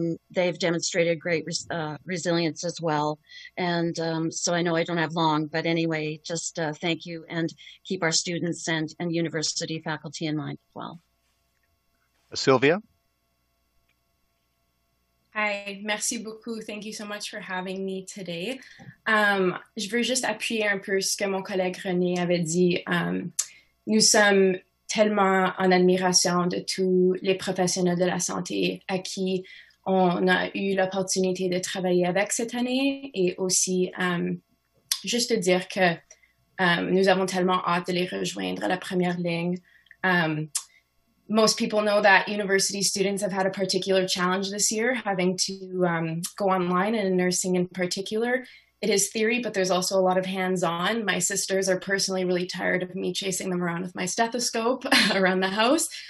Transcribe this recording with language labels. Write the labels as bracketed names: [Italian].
[English] They've demonstrated great resilience as well. And so I know I don't have long, but anyway, just thank you, and keep our students and university faculty in mind as well. Sylvia? [French] Hi, merci beaucoup. [English] Thank you so much for having me today. [French] Je veux juste appuyer un peu ce que mon collègue René avait dit. Nous sommes tellement en admiration de tous les professionnels de la santé à qui on a eu l'opportunité de travailler avec cette année, et aussi juste dire que nous avons tellement hâte de les rejoindre à la première ligne. [English] Most people know that university students have had a particular challenge this year, having to go online, and in nursing in particular. It is theory, but there's also a lot of hands-on. My sisters are personally really tired of me chasing them around with my stethoscope around the house.